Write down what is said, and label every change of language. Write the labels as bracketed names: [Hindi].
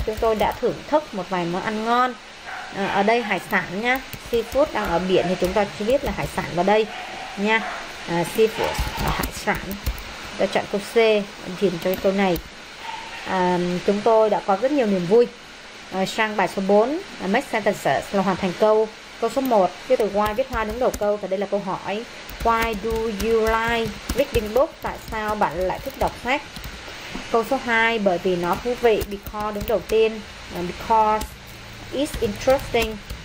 [Vietnamese] Chúng tôi đã thưởng thức một vài món ăn ngon. Ở đây hải sản nhá, seafood đang ở biển thì chúng ta chỉ biết là hải sản vào đây nha. Seafood, hải sản. Ta chọn câu C, điền cho câu này. Chúng tôi đã có rất nhiều niềm vui. Sang bài số 4, make sentences là hoàn thành câu. Câu số 1, cái từ why viết hoa đứng đầu câu, và đây là câu hỏi. [English] Why do you like reading book? [Vietnamese] Tại sao bạn lại thích đọc sách? Câu số 2, bởi vì nó thú vị. [English] Because [Vietnamese] đứng đầu tiên, [English] because it's interesting.